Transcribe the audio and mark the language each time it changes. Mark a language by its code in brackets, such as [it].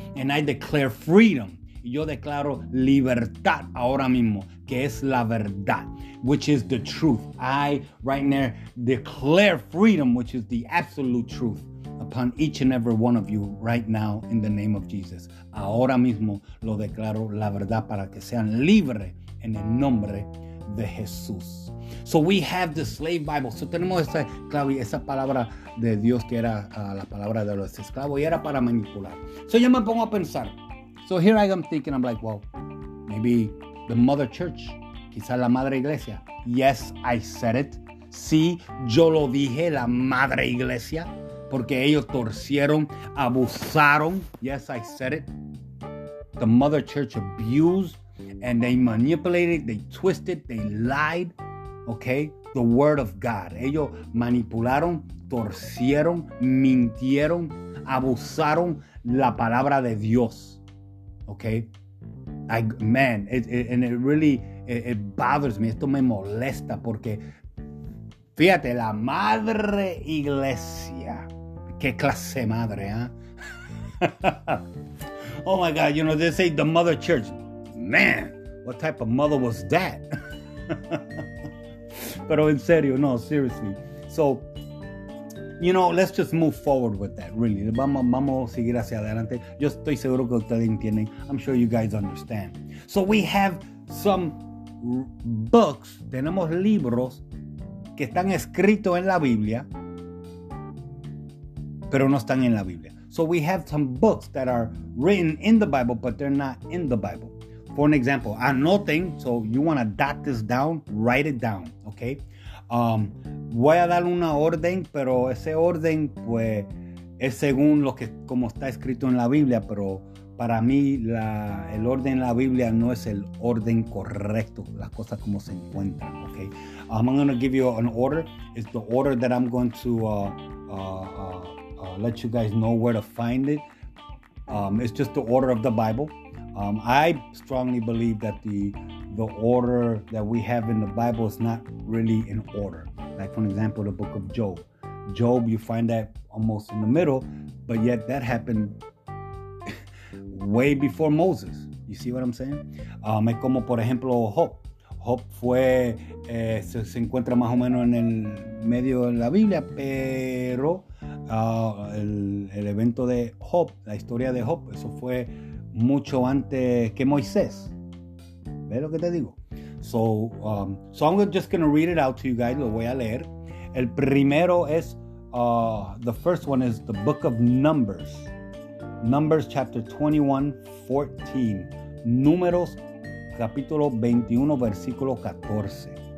[en] And I declare freedom. [es] Yo declaro libertad ahora mismo, que es la verdad, [en] which is the truth. I right now declare freedom, which is the absolute truth, upon each and every one of you right now in the name of Jesus. [es] Ahora mismo lo declaro la verdad para que sean libres en el nombre de Jesús. [en] So we have the slave Bible. [es] So tenemos esa clave, esa palabra de Dios que era la palabra de los esclavos y era para manipular. So yo me pongo a pensar. [en] So here I am thinking, I'm like, well, maybe the mother church, [es] quizá la madre iglesia. [en] Yes, I said it. [es] Sí, yo lo dije, la madre iglesia, porque ellos torcieron, abusaron. [en] Yes, I said it. The mother church abused and they manipulated, they twisted, they lied, okay? The word of God. [es] Ellos manipularon, torcieron, mintieron, abusaron la palabra de Dios. [en] Okay, it bothers me. [es] Esto me molesta porque, fíjate, la madre iglesia. Qué clase madre, ¿eh? [en] Oh my God, you know, they say the mother church. Man, what type of mother was that? [es] Pero en serio, no, [en] seriously. So, you know, let's just move forward with that, really. [es] Vamos a seguir hacia adelante. Yo estoy seguro que ustedes entienden. [en] I'm sure you guys understand. So we have some books. [es] Tenemos libros que están escritos en la Biblia, pero no están en la Biblia. [en] So we have some books that are written in the Bible, but they're not in the Bible. For an example, [es] anoten. [en] So you want to dot this down, write it down, okay? [es] Voy a dar una orden, pero ese orden, pues, es según lo que, como está escrito en la Biblia, pero para mí, el orden en la Biblia no es el orden correcto, las cosas como se encuentran, okay? [en] I'm going to give you an order. It's the order that I'm going to let you guys know where to find it. It's just the order of the Bible. I strongly believe that the order that we have in the Bible is not really in order. Like, for example, the book of Job. Job, you find that almost in the middle, but yet that happened way before Moses. You see what I'm saying? [es] Es como, por ejemplo, Job. Job fue se encuentra más o menos en el medio de la Biblia, pero el evento de Job, la historia de Job, eso fue mucho antes que Moisés. ¿Ve lo que te digo? [en] So I'm just going to read it out to you guys. [es] Lo voy a leer. El primero es [en] the first one is the book of Numbers. Numbers chapter 21:14. [es] Números capítulo 21 versículo 14.